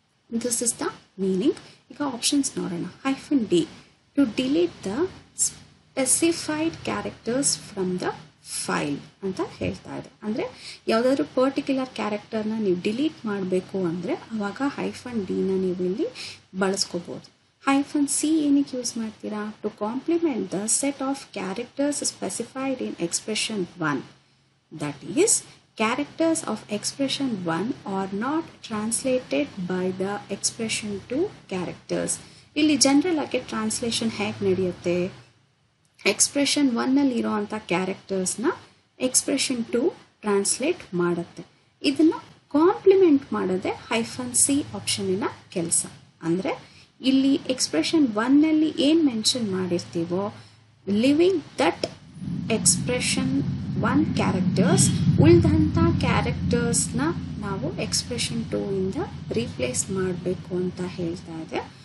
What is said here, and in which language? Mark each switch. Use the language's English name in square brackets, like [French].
[English] This is the meaning. [Kannada] ಈಗ options ನೋಡೋಣ. [English] hyphen d to delete the specified characters from the file [Kannada] ಅಂತ ಹೇಳ್ತಾ ಇದೆ. ಅಂದರೆ ಯಾವುದಾದ್ರೂ ಪರ್ಟಿಕ್ಯುಲರ್ ಕ್ಯಾರೆಕ್ಟರ್ನ ನೀವು ಡಿಲೀಟ್ ಮಾಡಬೇಕು ಅಂದರೆ ಆವಾಗ ಹೈಫನ್ ಡಿನ ನೀವು ಇಲ್ಲಿ ಬಳಸ್ಕೋಬೋದು. [English] hyphen c [Kannada] ಏನಕ್ಕೆ ಯೂಸ್ ಮಾಡ್ತೀರಾ, [English] To complement the set of characters specified in expression 1. [Kannada] That is [English] characters of expression 1 are not translated by the expression 2 characters. [Kannada] ಇಲ್ಲಿ ಜನರಲ್ ಆಗಿ ಟ್ರಾನ್ಸ್ಲೇಷನ್ ಹೇಗೆ ನಡೆಯುತ್ತೆ, ಎಕ್ಸ್ಪ್ರೆಷನ್ 1ನಲ್ಲಿ ಇರೋ ಅಂಥ ಕ್ಯಾರೆಕ್ಟರ್ಸ್ನ ಎಕ್ಸ್ಪ್ರೆಷನ್ 2 ಟ್ರಾನ್ಸ್ಲೇಟ್ ಮಾಡುತ್ತೆ. ಇದನ್ನು ಕಾಂಪ್ಲಿಮೆಂಟ್ ಮಾಡೋದೇ ಹೈಫನ್ ಸಿ ಆಪ್ಷನಿನ ಕೆಲಸ. ಅಂದರೆ ಇಲ್ಲಿ ಎಕ್ಸ್ಪ್ರೆಷನ್ 1ನಲ್ಲಿ ಏನು mention ಮಾಡಿರ್ತೀವೋ, [English] leaving that expression 1 characters, [Kannada] ಉಳಿದಂಥ ಕ್ಯಾರೆಕ್ಟರ್ಸ್ನ ನಾವು ಎಕ್ಸ್ಪ್ರೆಷನ್ 2ಇಂದ ರೀಪ್ಲೇಸ್ ಮಾಡಬೇಕು ಅಂತ ಹೇಳ್ತಾ ಇದೆ.